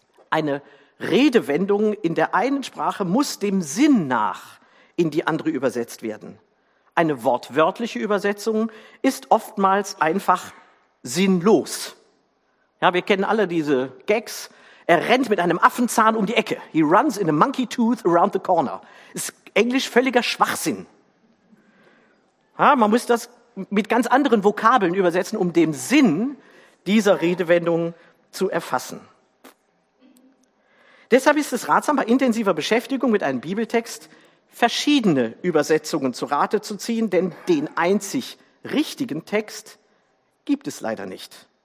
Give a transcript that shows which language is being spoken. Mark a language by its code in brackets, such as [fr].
[de] Eine Redewendung in der einen Sprache muss dem Sinn nach in die andere übersetzt werden. Eine wortwörtliche Übersetzung ist oftmals einfach sinnlos. Ja, wir kennen alle diese Gags. Er rennt mit einem Affenzahn um die Ecke. [en] He runs in a monkey tooth around the corner. [de] Ist Englisch völliger Schwachsinn. Ja, man muss das mit ganz anderen Vokabeln übersetzen, um den Sinn dieser Redewendung zu erfassen. Deshalb ist es ratsam, bei intensiver Beschäftigung mit einem Bibeltext verschiedene Übersetzungen zu Rate zu ziehen, denn den einzig richtigen Text gibt es leider nicht.